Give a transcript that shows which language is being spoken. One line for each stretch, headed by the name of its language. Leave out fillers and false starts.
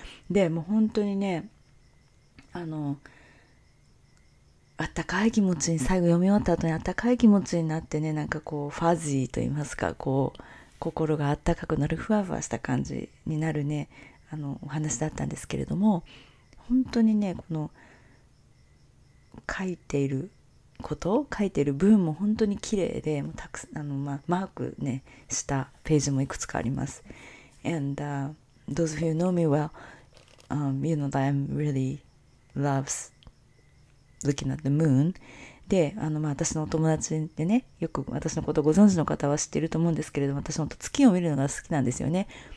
Japanese: でもう本当にね、あの温かい気持ちに最後読み終わった後に温かい気持ちになってね、なんかこうファジーと言いますか、こう心が温かくなるふわふわした感じになるね、あのお話だったんですけれども。本当にね、この書いていること、書いている文も本当に綺麗で、もうたくさんあの、まあ、マークね、したページもいくつかあります。
English: And those of you know me well, you know that I really loves looking at the moon.
Japanese: で、あの、まあ、私のお友達でね、よく私のことをご存知の方は知っていると思うんですけれども、私の月を見るのが好きなんですよね。